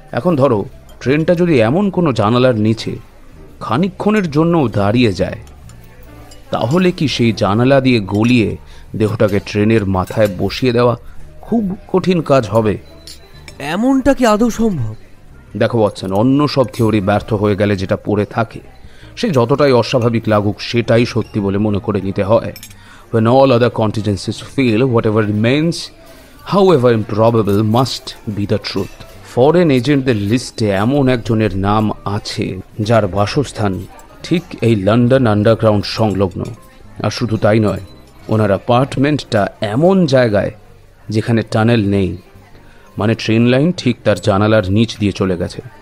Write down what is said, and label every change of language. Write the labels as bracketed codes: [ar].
[bn] এখন ধরো ট্রেনটা যদি এমন কোনো জানালার নিচে খানিকক্ষণের জন্যও দাঁড়িয়ে যায় তাহলে কি সেই জানালা দিয়ে গলিয়ে দেহটাকে ট্রেনের মাথায় বসিয়ে দেওয়া খুব কঠিন কাজ হবে? এমনটা কি আদৌ সম্ভব? দেখো ওয়াটসন, অন্য সব থিওরি ব্যর্থ হয়ে গেলে যেটা পড়ে থাকে সে যতটাই অস্বাভাবিক লাগুক সেটাই সত্যি বলে মনে করে নিতে হয়। [en] When all other contingencies fail, whatever remains, however improbable, must be the truth. [bn] Foreign এজেন্টদের লিস্টে এমন একজনের নাম আছে যার বাসস্থান ঠিক এই লন্ডন আন্ডারগ্রাউন্ড সংলগ্ন। আর শুধু তাই নয়, ওনার অ্যাপার্টমেন্টটা এমন জায়গায় যেখানে টানেল নেই, মানে ট্রেন লাইন ঠিক তার জানালার নিচ দিয়ে চলে গেছে।